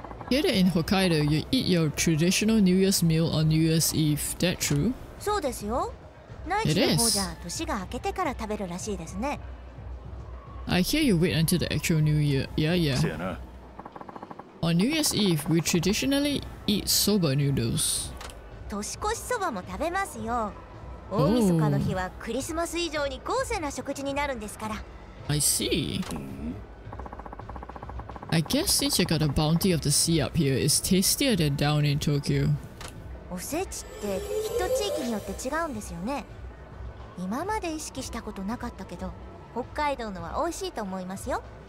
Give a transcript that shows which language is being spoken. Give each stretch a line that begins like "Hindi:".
English: Here in Hokkaido, you eat your traditional New Year's meal on New Year's Eve. That true?
Japanese: そうですよ。内地の方じゃ年が明けてから食べるらしいですね。
English: I hear you wait until the actual New Year. Yeah, yeah. On New Year's Eve, we traditionally eat soba noodles.
Japanese: 年越しそばも食べますよ。大晦日の日はクリスマス以上に豪勢な食事になるんですから。
English: I see. I guess since you got the bounty of the sea up here, it's tastier than down in Tokyo.
Japanese: おせちって人地域によって違うんですよね。今まで意識したことなかったけど。北海道のは美味しいと思いますよ。